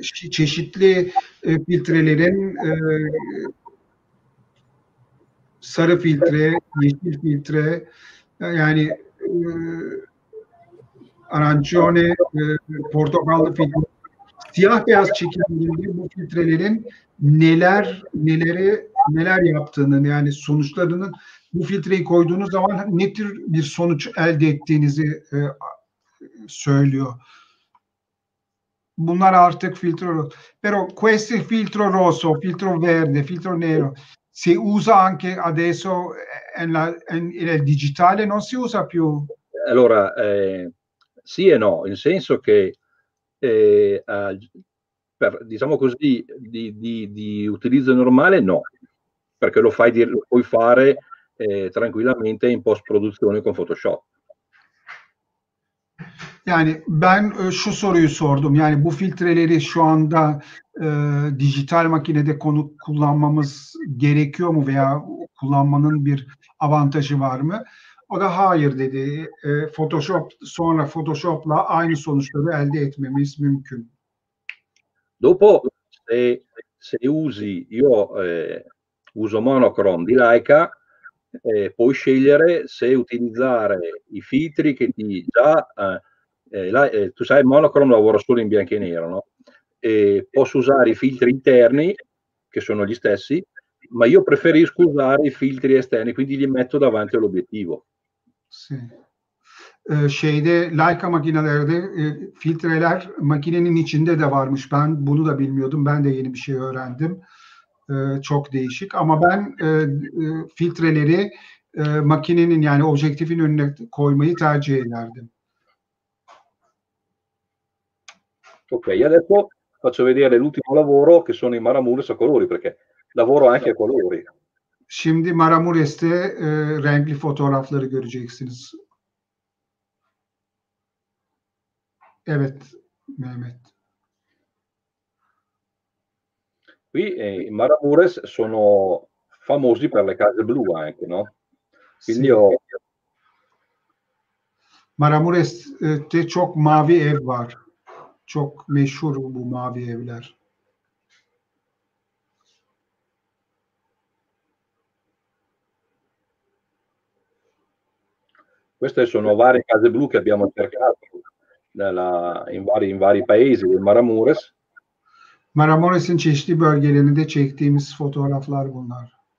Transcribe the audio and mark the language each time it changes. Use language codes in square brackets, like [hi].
[tr] Çeşitli filtrelerin sarı filtre, yeşil filtre yani arancione, portakallı filtre, siyah beyaz çekimlerinde bu filtrelerin neler yaptığını yani sonuçlarının bu filtreyi koyduğunuz zaman ne tür bir sonuç elde ettiğinizi söylüyor. Bunlar artık filtre rosso. [it] Però questi filtro rosso, filtro verde, filtro nero. Si usa anche adesso nel digitale non si usa più. Allora, sì e no, nel senso che per, diciamo così, di utilizzo normale no, perché lo puoi fare tranquillamente in post-produzione con Photoshop. [tr] Yani ben şu soruyu sordum. Yani bu filtreleri şu anda dijital makinede kullanmamız gerekiyor mu veya kullanmanın bir avantajı var mı? O da hayır dedi. Photoshop sonra Photoshop'la aynı sonuçları elde etmemiz mümkün. [it] Dopo se usi io uso monochrome di Leica puoi scegliere se utilizzare i filtri che ti già tu sai monochrome lavora solo in bianco e nero, no? E posso usare i filtri interni che sono gli stessi, ma io preferisco usare i filtri esterni, quindi li metto davanti all'obiettivo. Sì. [tr] Şeyde Leica makinelerde filtreler makinenin içinde de varmış. Ben bunu da bilmiyordum. Ben de yeni bir şey öğrendim. çok değişik. Ama ben filtreleri makinenin yani objektifin önüne koymayı tercih ederdim. [it] Ok, adesso faccio vedere l'ultimo lavoro che sono i Maramures a colori, perché lavoro anche a colori. [tr] Şimdi Maramures'te renkli fotoğrafları göreceksiniz. Evet, Mehmet. [it] Qui i Maramures sono famosi per le case blu anche, no? Quindi sì. Ho... [tr] Maramures'te çok mavi ev var. Çok meşhur bu mavi evler. [it] Queste sono varie case blu che abbiamo cercato nella, in vari paesi del Maramures. [tr] Maramures'in çeşitli bölgelerinde çektiğimiz fotoğraflar bunlar.